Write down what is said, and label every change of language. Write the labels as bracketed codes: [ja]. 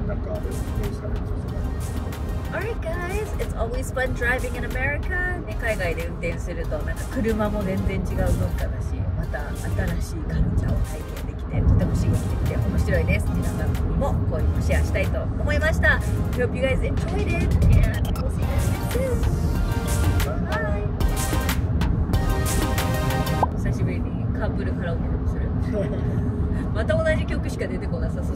[ja] なんかどうされる、 [en] Alright guys, it's always fun driving in America、 [ja] ね、海外で運転するとなんか車も全然違う文化だし、また新しいカルチャーを体験できてとても刺激的で面白いです。皆さんもこういうのをシェアしたいと思いました。 [en] Hope you guys enjoyed it and we'll see you next time。 Bye。 [ja] 久しぶりにカープルカラオケでもするまた同じ曲しか出てこなさそう、